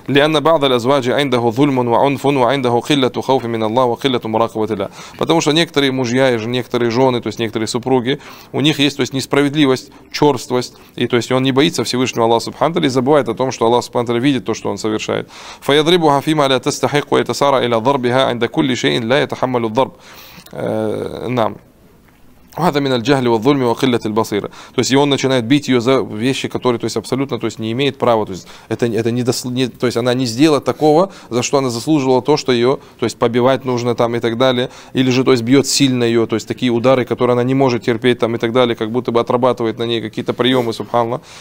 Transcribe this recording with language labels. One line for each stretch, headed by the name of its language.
Arabic: لأن بعض الأزواج عنده ظلم وعنف وعنده قلة خوف من الله وقلة مراقبة الله.
Russian: Потому что некоторые мужья и некоторые жены, то есть некоторые супруги, у них есть, то есть несправедливость, черствость, и то есть он не боится Всевышнего Аллаха Субхану и забывает о том, что Аллах Субхану видит то, что он совершает.
Arabic: فَيَضْرِبُهَا فِي مَا لَا تَسْتَحِقُ وَيَتَسَارَ إِلَى ضَرْبِهَا عِنْدَ كُلِّ شَيْءٍ لَا يَتَحَمَّلُ الضَّرْبُ. نعم. هذا من الجهل والظلم وقلة البصيرة.
Russian: То есть и он начинает бить ее за вещи, которые, то есть абсолютно, то есть не имеет права, то есть это не, не, то есть она не сделала такого, за что она заслужила то, что ее, то есть побивать нужно там и так далее, или же, то есть бьет сильно ее, то есть такие удары, которые она не может терпеть там и так далее, как будто бы отрабатывает на ней какие-то приемы, субханла.